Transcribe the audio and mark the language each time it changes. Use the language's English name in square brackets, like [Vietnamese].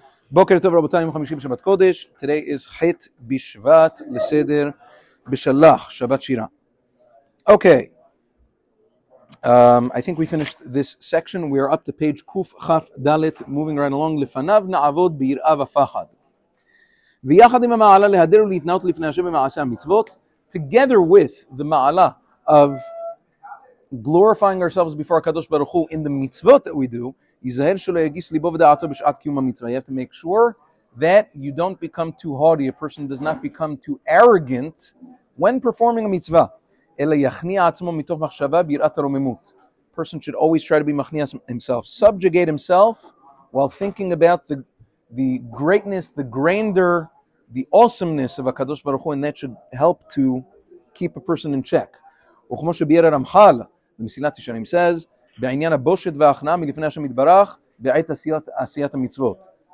[Hebrew] בוקר טוב רבותיי, יום חמישי בשבת קודש. [English] Today is [Hebrew] חית בשבט לסדר בשלח, שבת שירה. [English] Okay. I think we finished this section. We are up to page קוף חף דלת, moving right along. [Hebrew] לפניו נעבוד ביראה ופחד. ויחד עם המעלה להדר ולהתנאות לפני השם במעשה המצוות, [English] together with the מעלה of glorifying ourselves before הקדוש ברוך הוא in the מצוות that we do, [Hebrew] יזהר שלא יגיס ליבו ודעתו בשעת קיום המצווה. [English] You have to make sure that you don't become too haughty, a person does not become too arrogant when performing a mitzvah, [Hebrew] אלא יכניע עצמו מתוך מחשבה ביראת הרוממות. [English] Person should always try to be מכניע himself, subjugate himself while thinking about the greatness, the grandeur, the awesomeness of הקדוש ברוך הוא, and that should help to keep a person in check. [Hebrew] וכמו שביאר הרמח"ל במסילת ישרים [English] says, [Hebrew] בעניין הבושת וההכנעה מלפני השם יתברך בעת עשיית המצוות.